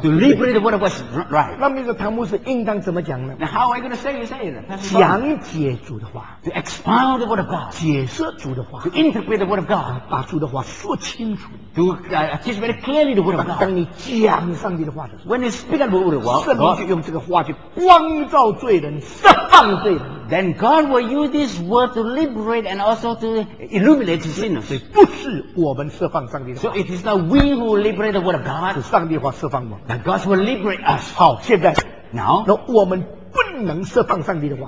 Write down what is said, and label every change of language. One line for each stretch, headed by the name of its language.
English: To liberate the word of God, right?
Chinese: 那么这个唐牧师应当怎么讲呢
English: ？Now how are you going to say it?
Chinese: 讲解主的话。
English: To expound the word of God.
Chinese: 解释主的话。
English: To interpret the word of God.
Chinese: 把主的话说清楚。
English: To teach very clearly the word of God.
Chinese: 当你讲上帝的话的时候。
English: When you speak the word of God.
Chinese: 圣灵就用这个话去光照罪人，释放罪人。
English: Then God will use this word to liberate and also to illuminate sinners.
Chinese: 所以不是我们释放上帝的话。
English: So it is not we who liberate the word of God.
Chinese: 是上帝的话释放我们。
English: That God will liberate us.
Chinese: 好，现在
English: now
Chinese: 那我们不能释放上帝的话。